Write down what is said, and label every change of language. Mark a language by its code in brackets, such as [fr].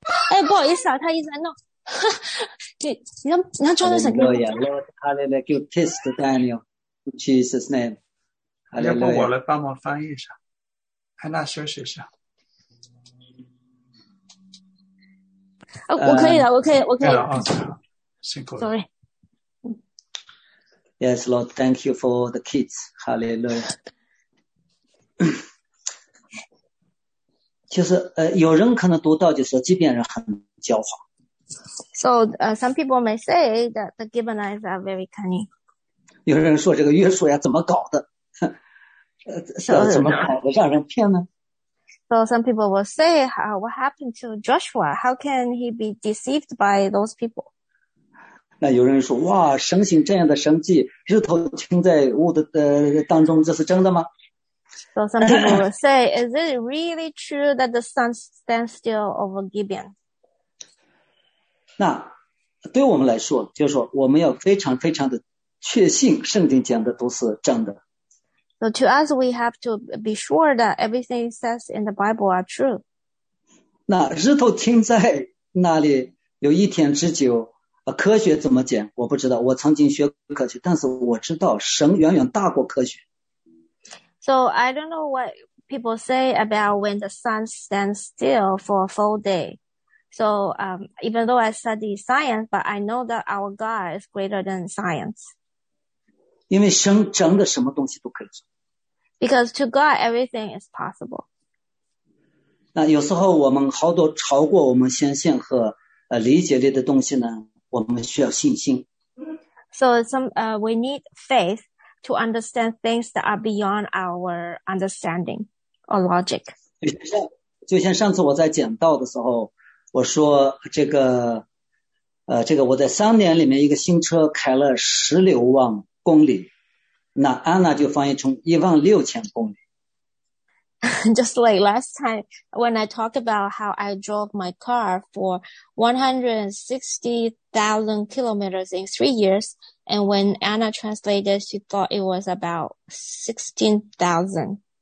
[zh] Hey, 不好意思啊，他一直在闹。你让 Jonathan 给我。 [en] Lord, hallelujah, you kissed Daniel, in Jesus' name. [zh] 要不我来帮忙翻译一下，安娜休息一下。啊，我可以的，我可以，我可以。辛苦了。 [en] Sorry. Yes, Lord, thank you for the kids. Hallelujah. [zh] 就是有人可能读到就说，即便人很狡猾。 [en] So, some people may say that the Gibeonites are very cunning. [zh] 有人说这个约书亚怎么搞的？怎么搞的让人骗呢？ [en] So some people will say, "What happened to Joshua? How can he be deceived by those people?" [zh] 那有人说，哇，神行这样的神迹，日头停在雾的当中，这是真的吗？ [en] So some people will say, is it really true that the sun stands still over Gibeon? [zh] 那对我们来说，就是说我们要非常非常的确信圣经讲的都是真的。 [en] So to us, we have to be sure that everything says in the Bible are true. [zh] 那日头停在那里有一天之久，科学怎么讲？我不知道，我曾经学科学，但是我知道神远远大过科学。 [en] So I don't know what people say about when the sun stands still for a full day. So even though I study science, but I know that our God is greater than science. [zh] 因为神真的什么东西都可以做。 [en] Because to God, everything is possible. [zh] 那有时候我们好多超过我们想象和理解力的东西呢，我们需要信心。 [en] So we need faith. To understand things that are beyond our understanding or logic. [zh] 就像上次我在讲道的时候，我说这个我在三年里面一个新车开了16万公里，那安娜就翻译成16000公里。 [en] Just like last time when I talk about how I drove my car for 160,000 kilometers in 3 years, and when Anna translated, she thought it was about 16,000.